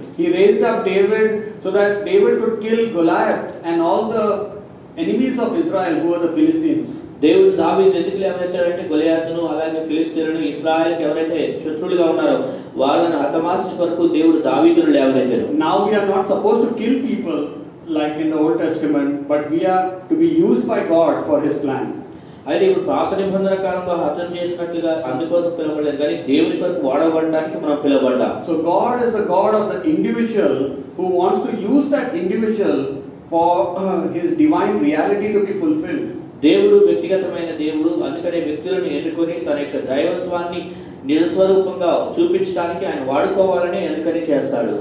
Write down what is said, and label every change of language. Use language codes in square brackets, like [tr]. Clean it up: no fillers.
[en] He raised up David so that David could kill Goliath and all the enemies of Israel who are the Philistines. [te] దేవుడు దావీదు ఎందుకు లేవనెత్తాడంటే గొలియాతును అలాగే ఫిలిస్తీన్లను Israel కి ఎవరైతే శత్రువులుగా ఉన్నారో వాళ్ళని హతమార్చే వరకు దేవుడు దావీదును లేవనెత్తాడు. [en] Now we are not suppose to kill people like in the old testament but we are to be used by god for his plan. [te] అయితే ఇప్పుడు పాత నిబంధన కాలంలో హతం చేసినట్టుగా అందుకోసం పిలవలేదు కానీ దేవుని కొరకు వాడబడడానికి మనం పిలవబడ్డాం. [en] So God is the God of the individual who wants to use that individual for his divine reality to be fulfilled. [te] దేవుడు వ్యక్తిగతమైన దేవుడు అందుకనే వ్యక్తులను ఎన్నుకొని తన యొక్క దైవత్వాన్ని నిజ స్వరూపంగా చూపించడానికి ఆయన వాడుకోవాలని ఎందుకని చేస్తాడు.